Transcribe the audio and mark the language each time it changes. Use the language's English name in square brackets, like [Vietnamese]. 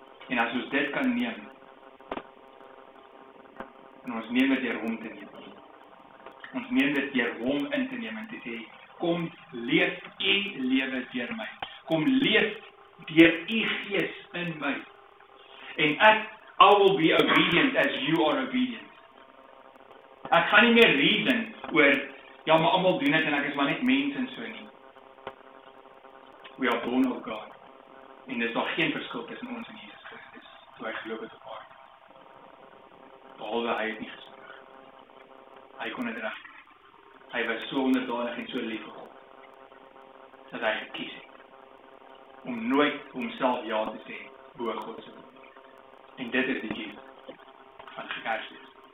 [Afrikaans] En as ons dit kan neem, en ons neem dit deur hom te neem, ons neem dit deur hom in te neem en te sê, kom leef u lewe deur my, kom leef deur u gees in my, en ek, [English] I will be obedient as you are obedient. [Afrikaans] Ek gaan nie meer reason oor, ja, maar almal doen dit en ek is maar net mens en so nie. [English] We are born of God. [Afrikaans] En dis daar geen verskil tussen ons en Jesus Christus, toe hy geloof het op aarde. Behalwe hy het nie gesondig. Hy kon het reg. Hy was so onderdanig en so lief vir God, dat hy gekies het om nooit homself ja te sê bo God se wil. En dit is die gift van Kersfees.